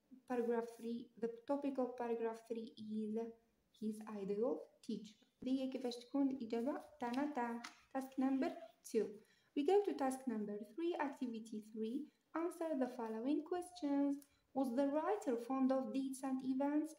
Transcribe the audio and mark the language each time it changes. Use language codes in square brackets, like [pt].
[en] Paragraph 3 the topic of paragraph 3 is his ideal teacher. [ar] دي كيفاش تكون الإجابة تاعنا تاع [en] task number 2. We go to task number 3, activity 3. Answer the following questions. Was the writer fond of dates and events?